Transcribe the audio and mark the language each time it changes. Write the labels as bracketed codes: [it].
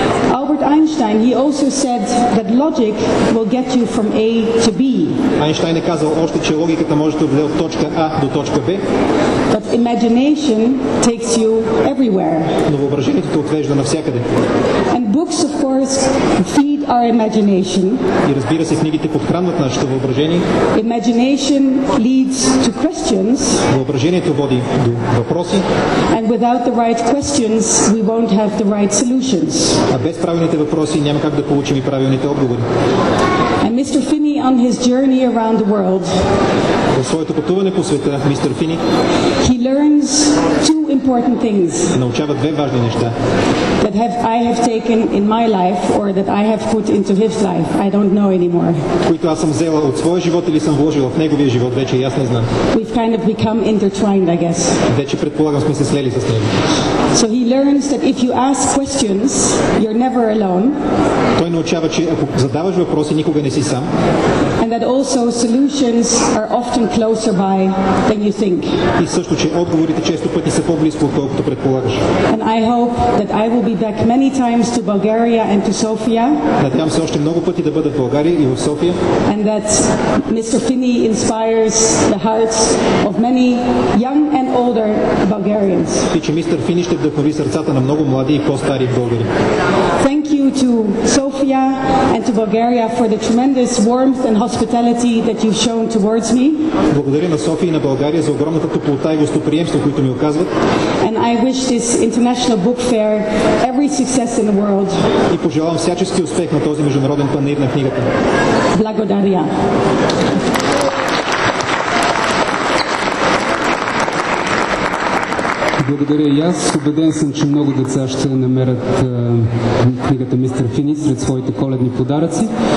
[en] Albert Einstein, he also said that logic will get you from A to B. [bg] Einstein е казал още, че логиката може да доведе от точка А до точка Б. [en] But imagination takes you everywhere. [bg] Но въображението те отвежда навсякъде. [en] And books, of course, feed our imagination. [bg] И разбира се, книгите подхранват нашето въображение. [en] Imagination leads to questions. [bg] Въображението води до въпроси. [en] And without the right questions, we won't have the right solutions. [bg] А без правилните въпроси няма как да получим и правилните отговори. [en] And Mr. Finney on his journey around the world. [bg] По своето пътуване по света, Mr. Finney. [en] He learns two important things. [bg] Научава две важни неща. [en] That I have taken in my life or that I have put into his life. I don't know anymore. [bg] Които аз съм взела от своя живот или съм вложила в неговия живот, вече аз не знам. [en] We've kind of become intertwined, I guess. [bg] Вече предполагам сме се слели с него. [en] So he learns that if you ask questions, you're never alone. [bg] Той научава, че ако задаваш въпроси, никога не си сам. [en] And that also solutions are often closer by than you think. [bg] И също, че отговорите често пъти са по-близко, отколкото предполагаш. [en] And I hope that I will be back many times to Bulgaria and to Sofia. [bg] Надявам се още много пъти да бъда в България и в София. [en] And that Mr. Finney inspires the hearts of many young and older Bulgarians. [bg] И че Mr. Finney ще вдъхнови сърцата на много млади и по-стари българи. [en] Thank you to Sofia and to Bulgaria for the tremendous warmth and hospitality that you've shown towards me. [bg] Благодаря на София и на България за огромната топлота и гостоприемство, които ми оказват. [en] And I wish this international book fair every success in the world. [bg] И пожелавам всячески успех на този международен панаир на книгата. Благодаря. Благодаря и аз. Убеден съм, че много деца ще намерят книгата Мистер Финис сред своите коледни подаръци.